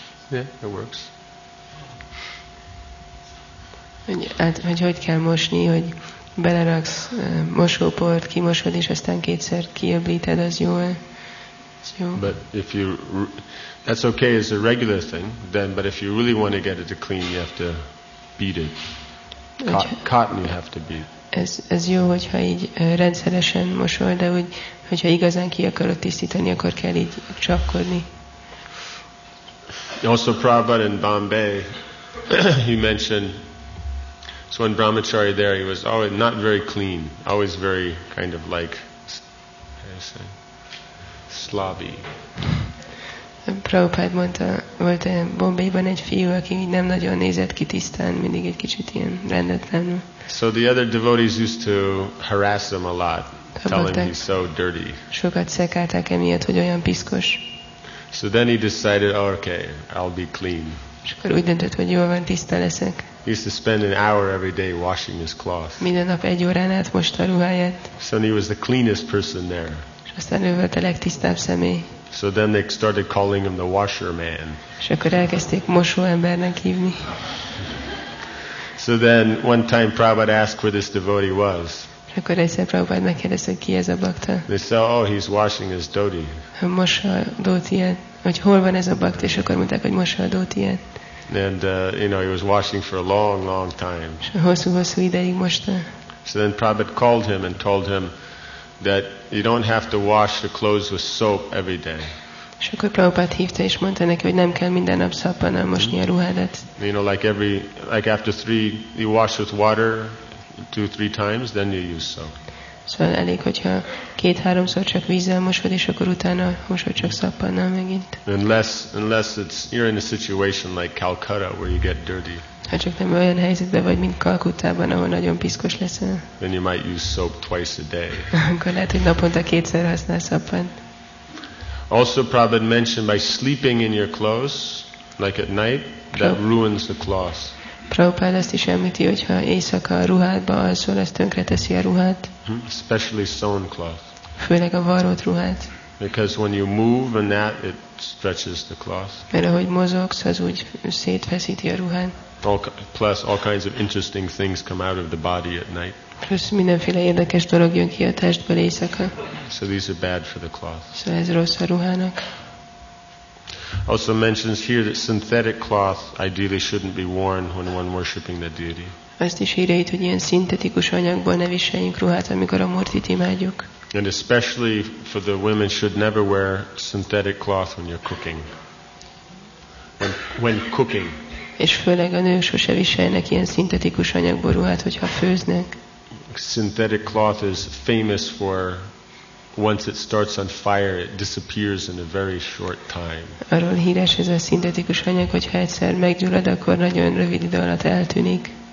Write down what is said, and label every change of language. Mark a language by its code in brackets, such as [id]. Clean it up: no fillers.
[en] Yeah, it works. [hu] Hogy kell mosni, hogy beleraksz mosóport, kimosod és aztán kétszer kiöblíted, az jó. [en] But if you that's okay as a regular thing, then but if you really want to get it to clean, you have to beat it. Cotton you have to beat. [hu] Ez jó, hogyha így rendszeresen mosol, de hogyha igazán ki akarod tisztítani, akkor kell így csapkodni. [en] Also, Prabhupada in Bombay, he mentioned, so in Brahmacharya there, he was always not very clean, always very kind of like, how do you say, slobby. [hu] Prabhupada mondta, volt Bombayban egy fiú, aki nem nagyon nézett ki tisztán, mindig egy kicsit ilyen rendetlen. [en] So the other devotees used to harass him a lot, telling him he's so dirty. [hu] Sokat szekálták emiatt, hogy olyan piszkos. [en] So then he decided, oh, okay, I'll be clean. [hu] És akkor úgy döntött, hogy jól van, tiszta leszek. [en] He used to spend an hour every day washing his cloth. [hu] Minden nap egy órán át mosta ruháját. [en] So he was the cleanest person there. [hu] És aztán ő volt a legtisztább személy. [en] So then they started calling him the washerman. [hu] És akkor elkezdték mosóembernek hívni. [en] So then one time Prabhupada asked where this devotee was. [hu] Akkor egyszer Prabhupád megkérdezte, hogy ki ez a bakta. [en] They said, oh, he's washing his dhoti. [hu] Mossa a dhotiját. Hogy hol van ez a bakta, és akkor mondták, hogy mossa a dhotiját. [en] And, he was washing for a long, long time. [hu] És hosszú-hosszú ideig mosta. [en] So then Prabhupád called him and told him that you don't have to wash the clothes with soap every day. [hu] És akkor Prabhupád hívta, és mondta neki, hogy nem kell minden nap szappannal mosni a ruhádat. [en] You know, like after three, you wash with water, 2-3 times, then you use soap. [hu] Szóval elég, hogyha 2-3-szor csak vízzel mosod, és akkor utána mosod csak szappannal megint. [en] Unless it's you're in a situation like Calcutta where you get dirty. [hu] Hát csak nem olyan helyzetben vagy, mint Kalkutában, ahol nagyon piszkos leszel. [en] Then you might use soap twice a day. [hu] Akkor lehet, hogy naponta kétszer használ szappant. [en] Also, Prabhupada mentioned by sleeping in your clothes, like at night, that ruins the cloth. [hu] Prabhupád azt is említi, hogyha éjszaka a ruhádba alszol, ez tönkreteszi a ruhát. [en] Especially sewn cloth. [hu] Főleg a varrott ruhát. [en] Because when you move and that, it stretches the cloth. [hu] Mert ahogy mozogsz, az úgy szétfeszíti a ruhát. [en] Plus all kinds of interesting things come out of the body at night. [hu] Plusz mindenféle érdekes dolog jön ki a testből éjszaka. [en] So these are bad for the cloth. [hu] Szóval ez rossz a ruhának. [en] Also mentions here that synthetic cloth ideally shouldn't be worn when one worshipping the deity. [hu] Azt is írja itt, hogy ilyen szintetikus anyagból ne viseljünk ruhát, amikor a Murtit imádjuk. [en] And especially for the women should never wear synthetic cloth when you're cooking. When cooking. [hu] És főleg a nők sose viseljenek ilyen szintetikus anyagból ruhát, hogyha főznek. [en] Synthetic cloth is famous for once it starts on fire, it disappears in a very short time. [hu] Arról híres ez a szintetikus anyag, hogyha egyszer meggyullad, akkor nagyon rövid idő alatt eltűnik.